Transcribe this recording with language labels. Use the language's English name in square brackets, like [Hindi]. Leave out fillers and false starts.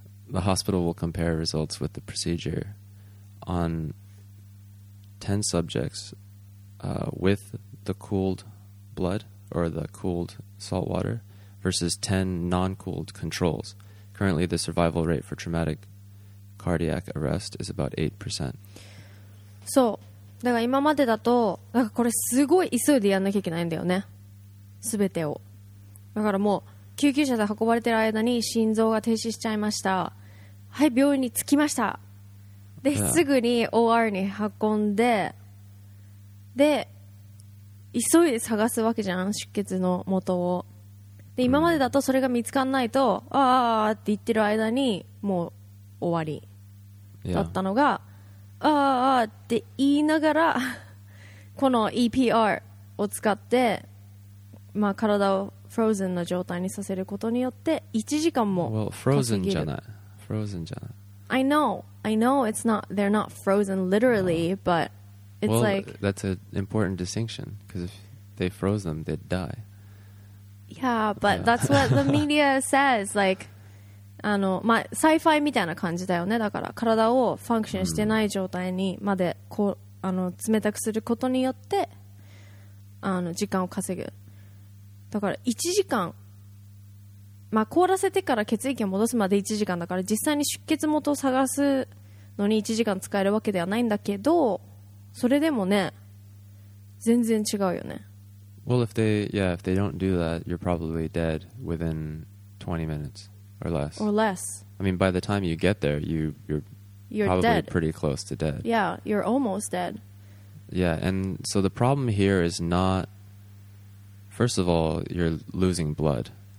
[English] The hospital will compare results with the procedure on 10 subjects with the cooled blood or the cooled salt water versus 10 non-cooled controls. Currently, the survival rate for traumaticardiac arrest is about 8%. [Japanese] そう。だから今までだと、なんかこれすごい急いでやんなきゃいけないんだよね。すべてを。だからもう救急車で運ばれてる間に心臓が停止しちゃいました。はい、病院に着きました。で、yeah. すぐに OR に運んで、で、急いで探すわけじゃん、出血の元を。で、今までだとそれが見つかんないと、あーあーって言ってる間にもう終わりだったのが、yeah. ああって言いながらこの EPR を使って、まあ、体をフローズンの状態にさせることによって1時間も稼げる。Well, frozen じゃない。Frozen じゃない。 [English] I know. I know it's not, they're not frozen literally, no. but it's well, like... Well, that's an important distinction because if they froze them, they'd die. Yeah, but yeah. that's what the media says. Like, [Japanese] あのまあ、サイファイみたいな感じだよね。だから体をファンクションしてない状態にまでこうあの冷たくすることによってあの時間を稼ぐ。だから1時間、まあ、凍らせてから血液を戻すまで1時間だから実際に出血元を探すのに1時間使えるわけではないんだけど、それでもね全然違うよね。 [English] Well, if they, yeah, if they don't do that, you're probably dead within 20 minutes. Or less. I mean, by the time you get there, you're probably dead. Pretty close to dead. Yeah, you're almost dead. Yeah, and so the problem here is not... First of all, you're losing blood.